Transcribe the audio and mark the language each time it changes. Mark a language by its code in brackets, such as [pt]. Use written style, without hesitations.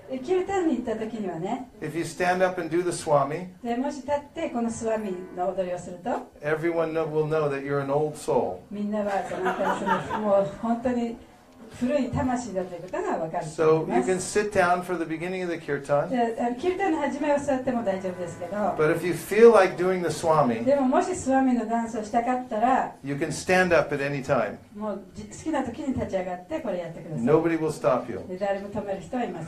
[ja] キルタンに行った時にはね、 [en] If you stand up and do the Swami, [ja] でもし立ってこのスワミの踊りをすると、 [en] Everyone will know that you're an old soul. [ja] みんなはそのその、もう本当に古い魂だということが分かると思います。 [en] So you can sit down for the beginning of the kirtan. [ja] キルタンの始めを座っても大丈夫ですけど。 [en] But if you feel like doing the Swami, [ja] でももしスワミのダンスをしたかったら、 [en] you can stand up at any time. [ja] もう好きな時に立ち上がってこれやってください。 [en] Nobody will stop you. [ja] 誰も止める人はいません。